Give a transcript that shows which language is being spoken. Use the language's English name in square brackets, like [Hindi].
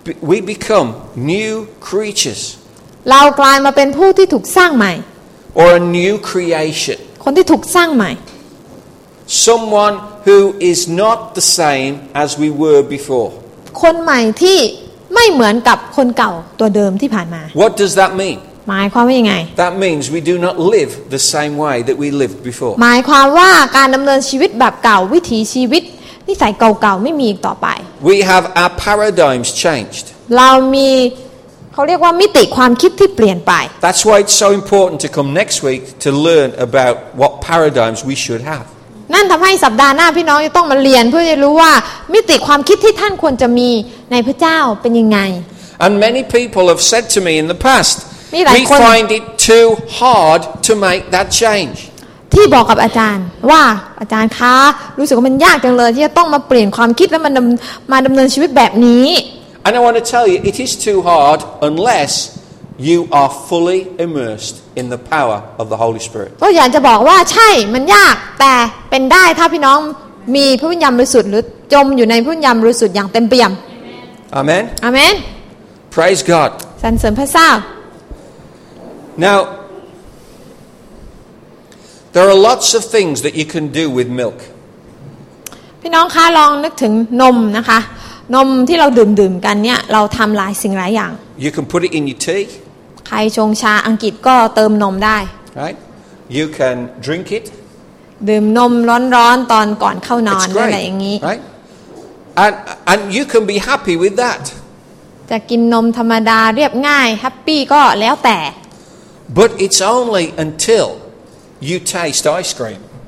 [English] We become new creatures. [Thai] เรากลายมาเป็นผู้ที่ถูกสร้างใหม่ [English] Or a new creation. [Thai] คนที่ถูกสร้างใหม่ [English] Someone who is not the same as we were before. [Thai] คนใหม่ที่ไม่เหมือนกับคนเก่าตัวเดิมที่ผ่านมา [English] What does that mean? [Thai] หมายความว่ายังไง [English] That means we do not live the same way that we lived before. [Thai] หมายความว่าการดำเนินชีวิตแบบเก่าวิถีชีวิตนิสัยเก่าๆไม่มีอีกต่อไป [English] We have our paradigms changed. [Thai] เรามีเขาเรียกว่ามิติความคิดที่เปลี่ยนไป [English] That's why it's so important to come next week to learn about what paradigms we should have [Thai] นั่นทำให้สัปดาห์หน้าพี่น้องจะต้องมาเรียนเพื่อจะรู้ว่ามิติความคิดที่ท่านควรจะมีในพระเจ้าเป็นยังไง [English] And many people have said to me in the past we find it too hard to make that change [Thai] ที่บอกกับอาจารย์ว่าอาจารย์คะรู้สึกว่ามันยากจังเลยที่จะต้องมาเปลี่ยนความคิดและมาดำเนินชีวิตแบบนี้ [English] And I want to tell you, it is too hard unless you are fully immersed in the power of the Holy Spirit. [Thai] ก็อยากจะบอกว่าใช่มันยากแต่เป็นได้ถ้าพี่น้องมีพระวิญญาณบริสุทธิ์หรือจมอยู่ในพระวิญญาณบริสุทธิ์อย่างเต็มเปี่ยม [English] Amen. Amen. Praise God. [Thai] สรรเสริญพระเจ้า [English] Now, there are lots of things that you can do with milk. [Thai] พี่น้องคะลองนึกถึงนมนะคะนมที่เราดื่มๆกันเนี่ยเราทำหลายสิ่งหลายอย่าง [English] You can put it in your tea [Thai] ใครชงชาอังกฤษก็เติมนมได้ [English] Right You can drink it [Thai] ดื่มนมร้อนๆตอนก่อนเข้านอนอะไรอย่างงี้ [English] Right and you can be happy with that [Thai] จะกินนมธรรมดาเรียบง่ายแฮปปี้ก็แล้วแต่ [English] But it's only until you taste ice cream